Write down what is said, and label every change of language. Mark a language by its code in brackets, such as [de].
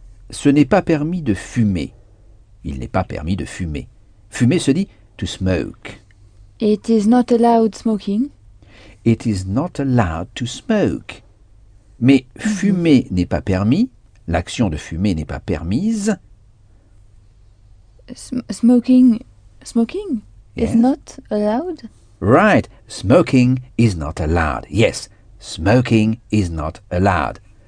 [fr] Ce n'est pas permis de fumer. Il n'est pas permis de fumer. Fumer se dit [en] to smoke. It is not allowed smoking. It is not allowed to smoke. [fr] Mais fumer n'est pas permis. L'action de fumer n'est pas permise. [en] Smoking yes. Is not allowed. Right. Smoking is not allowed. Yes. Smoking is not allowed.